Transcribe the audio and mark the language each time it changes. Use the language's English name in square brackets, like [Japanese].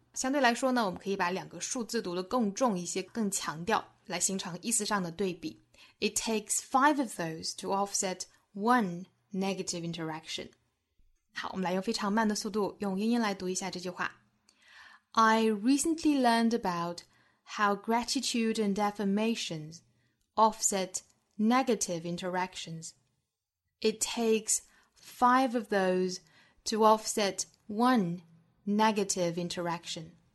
[Chinese] 相对来说呢，我们可以把两个数字读得更重一些，更强调，来形成意思上的对比。 [English] It takes 5 of those to offset 1 negative interaction. [Chinese] 好，我们来用非常慢的速度用英音来读一下这句话。 [English] I recently learned about how gratitude and affirmations offset negative interactions. It takes 5 of those to offset 1 negative interaction.